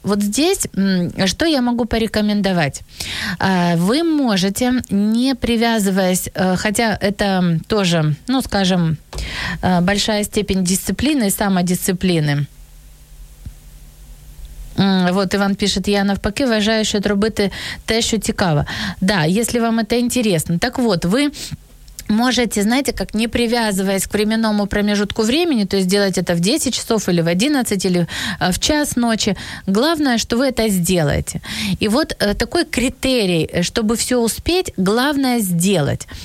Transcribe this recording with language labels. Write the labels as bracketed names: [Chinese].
[Russian] Вот здесь что я могу порекомендовать? Вы можете, не привязываясь, хотя это тоже, ну, скажем, большая степень дисциплины и самодисциплины. Вот Иван пишет, [Ukrainian] я навпаки вважаю, що робити те, що цікаво. [Russian] Да, если вам это интересно. Так вот, вы можете, знаете, как не привязываясь к временному промежутку времени, то есть делать это в 10 часов или в 11, или в час ночи. Главное, что вы это сделаете. И вот такой критерий, чтобы все успеть, главное сделать.